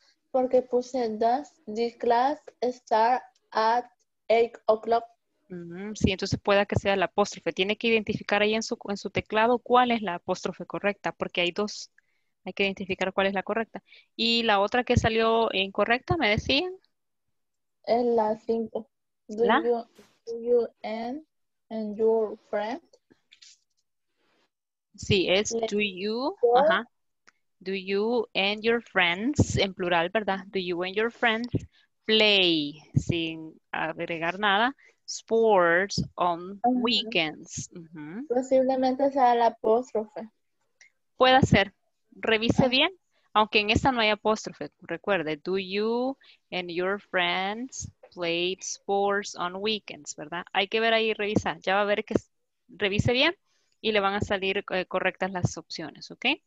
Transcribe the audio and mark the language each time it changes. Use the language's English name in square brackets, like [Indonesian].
[Spanish] Porque puse, [English] does this class start at 8 o'clock? [Spanish] Sí, entonces pueda que sea la apóstrofe. Tiene que identificar ahí en su teclado cuál es la apóstrofe correcta, porque hay dos. Hay que identificar cuál es la correcta. ¿Y la otra que salió incorrecta, me decían? Es la 5. [English] Do you and your friend? [Spanish] Sí, es do you. Ajá. [English] Do you and your friends, [Spanish] en plural, ¿verdad? [English] Do you and your friends play, [Spanish] sin agregar nada, [English] sports on weekends. [Spanish] Posiblemente sea la apóstrofe. Puede ser. Revise bien, aunque en esta no hay apóstrofe. Recuerde, [English] do you and your friends play sports on weekends, [Spanish] ¿verdad? Hay que ver ahí, revisar. Ya va a ver que revise bien y le van a salir correctas las opciones, ¿ok?